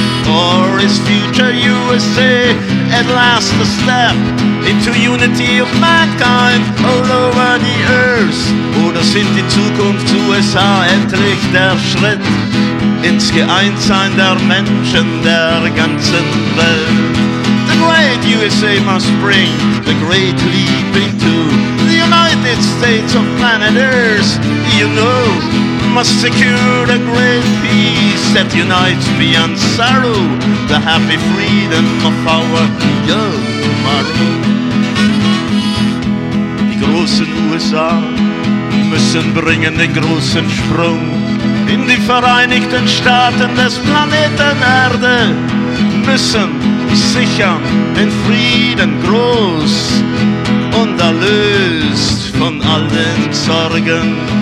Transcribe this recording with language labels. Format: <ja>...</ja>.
<en>Or is future USA at last a step into unity of mankind all over the earth?</en> <de>Oder sind die Zukunft USA endlich der Schritt ins Geeintsein der Menschen der ganzen Welt?</de> <en>The great USA must bring the great leap into the United States of planet Earth. You know, must secure the great peace that unites beyond sorrow, the happy freedom of our young tomorrow.</en> <de>Die großen USA müssen bringen den großen Sprung in die Vereinigten Staaten des Planeten Erde, müssen sichern den Frieden groß und erlöst von allen Sorgen.</de>